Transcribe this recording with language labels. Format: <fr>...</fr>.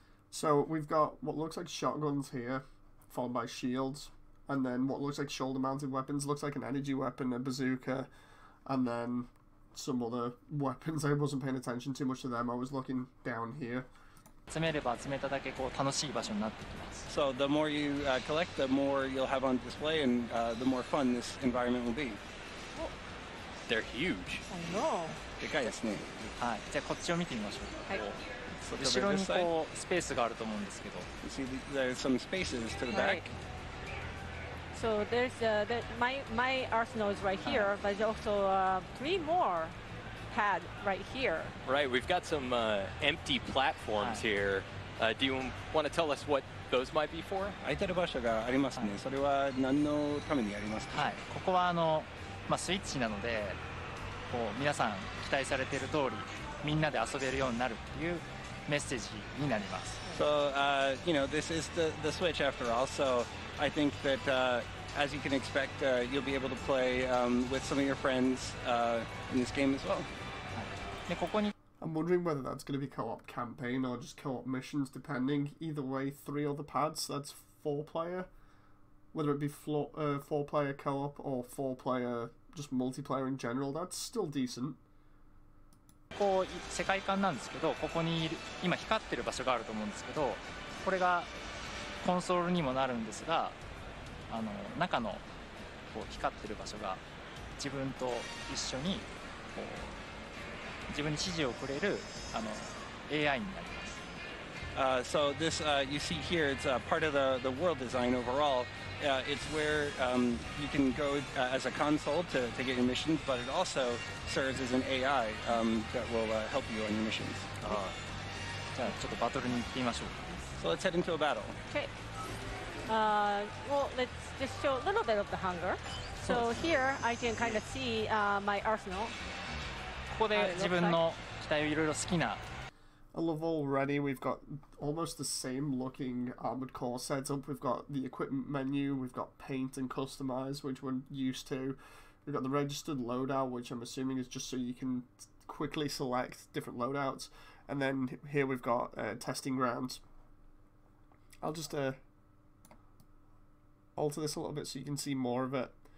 <en>So we've got what looks like shotguns here, followed by shields, and then what looks like shoulder mounted weapons, looks like an energy weapon, a bazooka, and then some other weapons. I wasn't paying attention too much to them, I was looking down here. So the more you collect, the more you'll have on display, and the more fun this environment will be. They're huge. I know.</en> <ja>でかいですね。はい。後ろにこうスペースがあると思うんですけど。</ja> <en>There's some spaces to the back. So there's my arsenal is right here, but there's also three more pad right here. Right, we've got some empty platforms here. Do you want to tell us what those might be for?</en> <ja>空いてる場所がありますね。それは何のためにありますか？はい、ここはあのまあスイッチなので、こう皆さん期待されている通りみんなで遊べるようになるっていう。 Message になります。</ja> <en>So, you know, this is the Switch after all, so I think that as you can expect, you'll be able to play with some of your friends in this game as well. I'm wondering whether that's going to be co-op campaign or just co-op missions, depending. Either way, three other pads, that's four player. Whether it be four player co-op or four player just multiplayer in general, that's still decent.</en> <ja>こう世界観なんですけど、ここにいる今光ってる場所があると思うんですけど、これがコンソールにもなるんですが、あの中のこう光ってる場所が自分と一緒にこう自分に指示をくれるあの AI になります。</ja> <en>So this you see here, it's part of the world design overall. It's where you can go as a console to get your missions, but it also serves as an AI that will help you on your missions.</en> <ja>じゃあちょっとバトルに行ってみましょうか。</ja> <en>So let's head into a battle. Okay. Well, let's just show a little bit of the hunger. So here I can kind of see my arsenal.</en> <ja>ここで自分の機体をいろいろ好きな。</ja> <en>I love already, we've got almost the same looking Armored Core setup. We've got the equipment menu, we've got paint and customize, which we're used to. We've got the registered loadout, which I'm assuming is just so you can quickly select different loadouts. And then here we've got testing grounds. I'll just alter this a little bit so you can see more of it.</en>